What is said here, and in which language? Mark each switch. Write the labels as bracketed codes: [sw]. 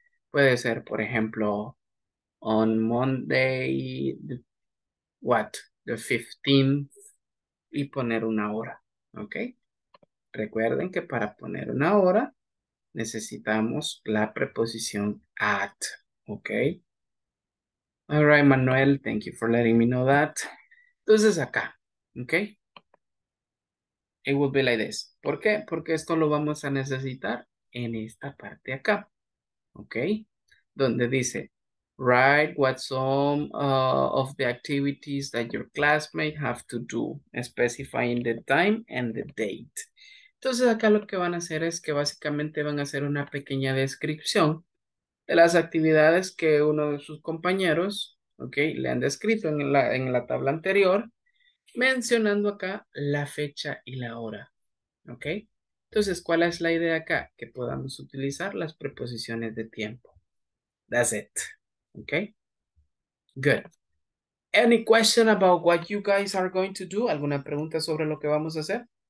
[es] Puede ser, por ejemplo, [en] on Monday, the 15th, [es] y poner una hora, ¿ok? Recuerden que para poner una hora necesitamos la preposición at, ¿ok? [en] All right, Manuel, thank you for letting me know that. [es] Entonces acá, ¿ok? [en] It will be like this. [es] ¿Por qué? Porque esto lo vamos a necesitar en esta parte acá, ¿ok? Donde dice, [en] write what some of the activities that your classmate have to do, specifying the time and the date. [es] Entonces acá lo que van a hacer es que básicamente van a hacer una pequeña descripción de las actividades que uno de sus compañeros, ¿ok? Le han descrito en la tabla anterior, mencionando acá la fecha y la hora, ¿ok? Entonces, ¿cuál es la idea acá? Que podamos utilizar las preposiciones de tiempo. [en] That's it, ¿ok? Good. Any question about what you guys are going to do? [es] ¿Alguna pregunta sobre lo que vamos a hacer?